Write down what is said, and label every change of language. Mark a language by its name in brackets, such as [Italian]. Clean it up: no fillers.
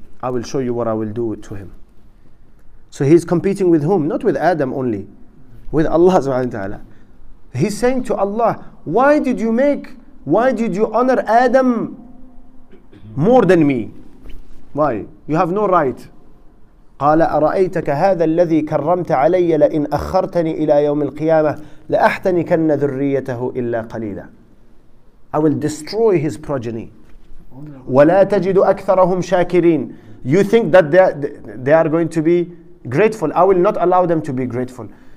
[English] I will show you what I will do to him. So he's competing with whom? Not with Adam only, with Allah subhanahu wa ta'ala. He's saying to Allah, why did you honor Adam more than me? Why? You have no right. [Arabic] قال أرأيتك هذا الذي كرمت علي لئن أخرتني إلى يوم القيامة لأحتنكن ذريته إلا قليلا. [English] I will destroy his progeny. [Arabic] ولا تجد أكثرهم شاكرين. [English] You think that they are going to be grateful. I will not allow them to be grateful.